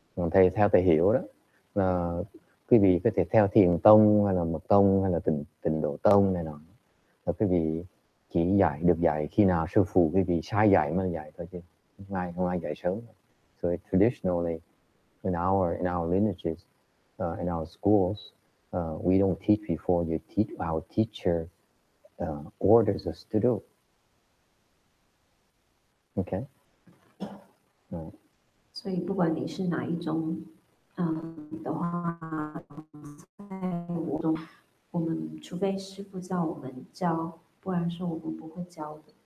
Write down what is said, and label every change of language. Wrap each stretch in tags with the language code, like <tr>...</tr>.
<vi>Thầy theo thầy hiểu đó là quý vị có thể theo thiền tông hay là mật tông hay là tịnh độ tông này nọ, là quý vị chỉ dạy được dạy khi nào sư phụ quý vị sai dạy mới dạy thôi, chứ không ai dạy sớm.</vi> <en>So traditionally in our lineages, in our schools, we don't teach before you teach, our teacher orders us to do. Okay. Right.</en> <zh>所以不管你是哪一种的话，在我中，我们除非师父叫我们教，不然说我们不会教的。</zh>